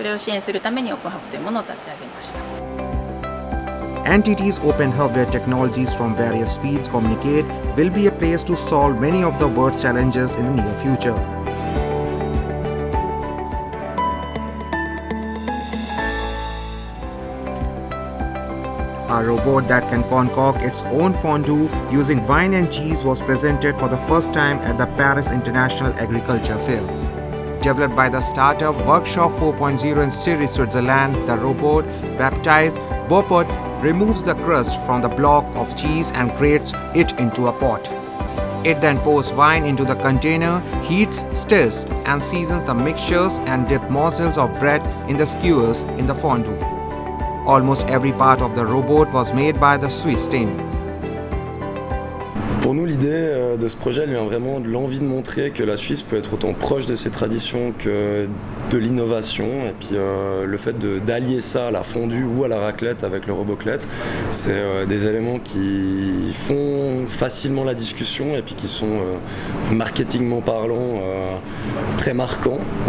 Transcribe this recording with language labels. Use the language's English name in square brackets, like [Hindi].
[Japanese] 持っているようなさまざまな技術アセットを資材みたいな経験みたいなものを生かしながらお客様の持っているアセットと掛け合わせて新しい事業を作っていければというふうに思っております。社会課題さまざまな領域でありますけれども、それをきちんと解決をしていって一社では解決しにくい時代になっているので、そういったものを競争によって解決する、それを支援するためにオープンハブというものを立ち上げました。 [English] NTT's Open Hub, where technologies from various fields communicate, will be a place to solve many of the world's challenges in the near future. A robot that can concoct its own fondue using wine and cheese was presented for the first time at the Paris International Agriculture Fair. developed by the startup Workshop 4.0 in Siri, Switzerland. The robot, baptized Bopot, removes the crust from the block of cheese and grates it into a pot. It then pours wine into the container, heats, stirs, and seasons the mixtures and dip morsels of bread in the skewers in the fondue. Almost every part of the robot was made by the Swiss team. [French] Pour nous, l'idée de ce projet vient vraiment de l'envie de montrer que la Suisse peut être autant proche de ses traditions que de l'innovation. Et puis le fait d'allier ça à la fondue ou à la raclette avec le roboclette, c'est des éléments qui font facilement la discussion et puis qui sont, marketingement parlant, très marquants.